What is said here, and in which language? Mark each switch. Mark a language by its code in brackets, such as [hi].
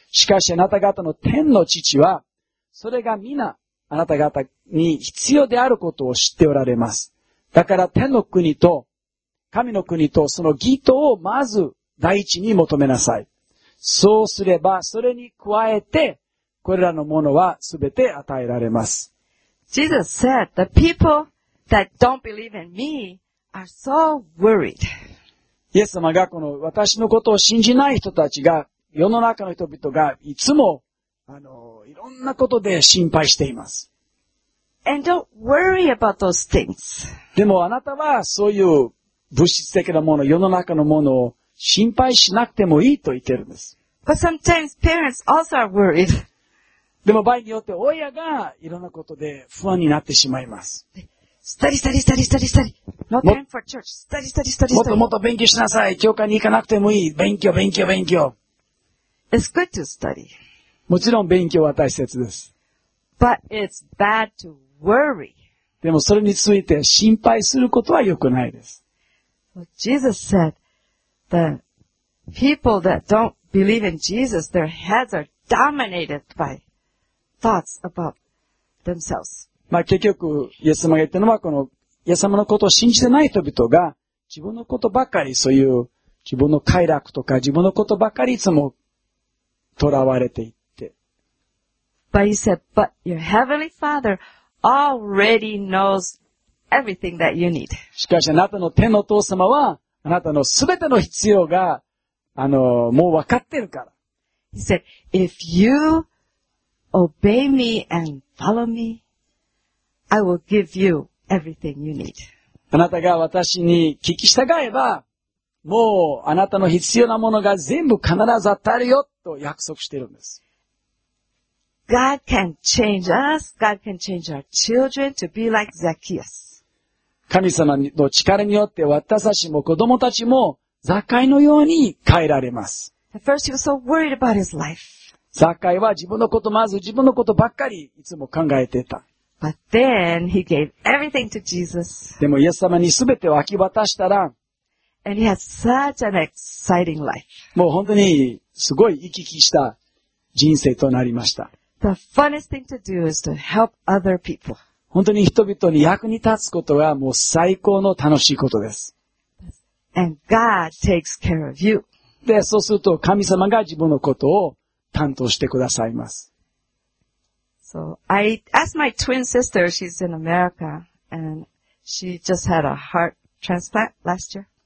[ja] しかしあなた方の天の父は、それが皆、あなた方に必要であることを知っておられます。だから天の国と、神の国とその義とをまず第一に求めなさい。そうすればそれに加えてこれらのものはすべて与えられます。 [en] Jesus said, the people that don't believe in me are so worried. [ja] イエス様がこの私のことを信じない人たちが世の中の人々がいつもいろんなことで心配しています。 [en] And don't worry about those things. [ja] でもあなたはそういう物質的なもの、世の中のものを心配しなくてもいいと言ってるんです。 [en] But sometimes parents also are worried. [ja] でも場合によって親がいろんなことで不安になってしまいます。 [en] Study. No time for church. Study. [ja] もっともっと勉強しなさい。教会に行かなくてもいい。勉強。 [en] It's good to study. [ja] もちろん勉強は大切です。 [en] But it's bad to worry. [ja] でもそれについて心配することは良くないです。 [en] Jesus said, the people that don't believe in Jesus, their heads are dominated by thoughts about themselves. [ja] まあ結局、イエス様が言ったのは、このイエス様のことを信じてない人々が、自分のことばかり、そういう、自分の快楽とか、自分のことばかりいつも、囚われていって。 [en] But he said, but your heavenly father already knows everything that you need. [ja] しかし、あなたの天のお父様は、あなたのすべての必要が、もうわかってるから。 [en] He said, if you obey me and follow me, I will give you everything you need. [ja] あなたが私に聞き従えば、もうあなたの必要なものが全部必ず当たるよ、と約束しているんです。 [en] God can change us. God can change our children to be like Zacchaeus. [ja] 神様の力によって私たちも子供たちもザカイのように変えられます。 [en] At first he was so worried about his life. [ja] ザカイは自分のこと、まず自分のことばっかりいつも考えていた。 [en] But then he gave everything to Jesus. [ja] でもイエス様にすべてを明け渡したら、 [en] And he has such an exciting life. [ja] もう本当にすごい生き生きした人生となりました。 [en] The funnest thing to do is to help other people. [ja] 本当に人々に役に立つことはもう最高の楽しいことです。 [en] And God takes care of you. [ja] で、そうすると神様が自分のことを担当してくださいます。 [en] So, I asked my twin sister, she's in America, and she just had a heart transplant last year.